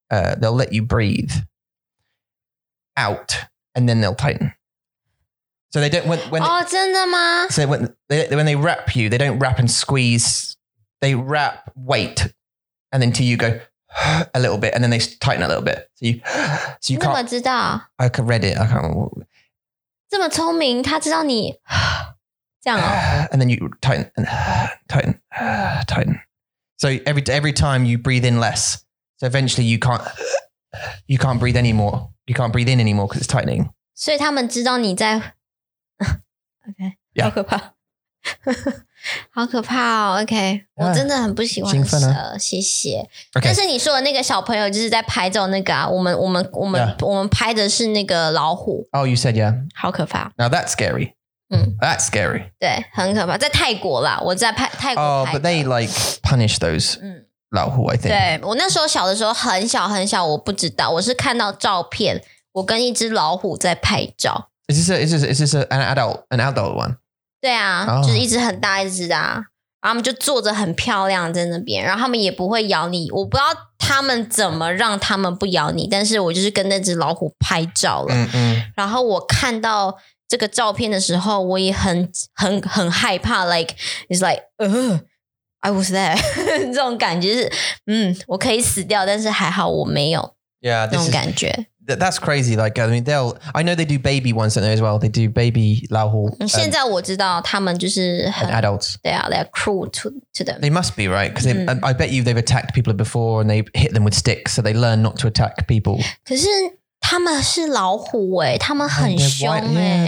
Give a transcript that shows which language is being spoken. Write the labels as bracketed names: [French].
[English] They'll let you breathe out and then they'll tighten. So they don't, when they wrap you, they don't wrap and squeeze. They wrap, wait, and then till you go a little bit and then they tighten a little bit. So you can't. [Chinese] 我知道。 [English] I read it. I can't remember. [Chinese] 这么聪明，他知道你这样哦。 [English] And then you tighten and tighten, tighten. So every time you breathe in less,So eventually you can't breathe anymore. You can't breathe in anymore because it's tightening. [Chinese] 所以他们知道你在 OK, [English] yeah. [Chinese] 好可怕。好可怕哦 ,OK. [English] Yeah, [Chinese] 我真的很不喜欢蛇,谢谢。 [English] Okay. [Chinese] 但是你说的那个小朋友就是在拍照那个啊,我们 yeah. 我们拍的是那个老虎。 [English] Oh, you said yeah. [Chinese] 好可怕。 [English] Now that's scary. That's scary. [Chinese] 对,很可怕。在泰国啦,我在泰国拍的。 [English] Oh, but they like punish those. 老虎 I think. [Chinese] 对，我那时候小的时候很小很小，我不知道，我是看到照片，我跟一只老虎在拍照。 [English] Is this an adult one? [Chinese] 对啊，就是一只很大一只的啊，然后他们就坐着很漂亮在那边，然后他们也不会咬你，我不知道他们怎么让他们不咬你，但是我就是跟那只老虎拍照了。然后我看到这个照片的时候，我也很害怕 ， [English] like it's like I was there. [Chinese] 这种感觉是，我可以死掉，但是还好我没有。 [English] Yeah, this [Chinese] 那种感觉。 [English] That's crazy. Like, I mean, I know they do baby ones in there as well. They do baby 老虎。 [Chinese] 现在我知道他们就是很 [English] adults. Yeah, they're cruel to them. They must be, right? Because I bet you they've attacked people before and they hit them with sticks, so they learn not to attack people. [Chinese] 可是他们是老虎欸，他们很凶欸。